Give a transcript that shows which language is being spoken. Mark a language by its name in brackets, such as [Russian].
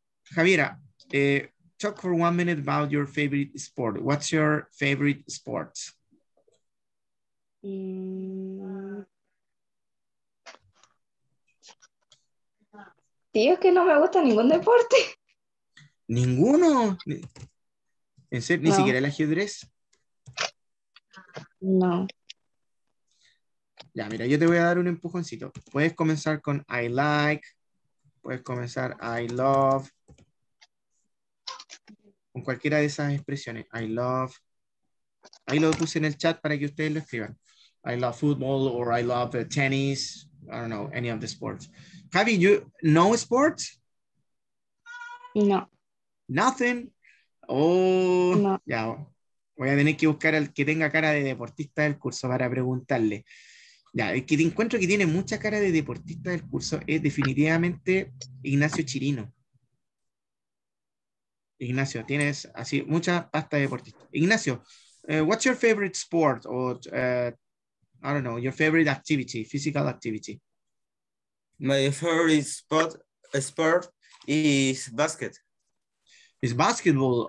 [English] Javiera, talk for 1 minute about your favorite sport. What's your favorite sport? [Spanish] Tío, es que no me gusta ningún deporte. ¿Ninguno? ¿En serio? ¿Ni no. siquiera el ajedrez? No. Ya, mira, yo te voy a dar un empujoncito. Puedes comenzar con [English] I like. [Spanish] Puedes comenzar [English] I love. [Spanish] Con cualquiera de esas expresiones. [English] I love. [Spanish] Ahí lo puse en el chat para que ustedes lo escriban. [English] I love football or I love tennis. I don't know, any of the sports. Javi, you know sports? No. Nothing? Oh, no. [Spanish] Ya. Voy a tener que buscar al que tenga cara de deportista del curso para preguntarle. Ya, el que te encuentro que tiene mucha cara de deportista del curso es definitivamente Ignacio Chirino. Ignacio, tienes así mucha pasta de deportista. [English] Ignacio, what's your favorite sport or I don't know, your favorite activity, physical activity? My favorite sport is basket. It's basketball.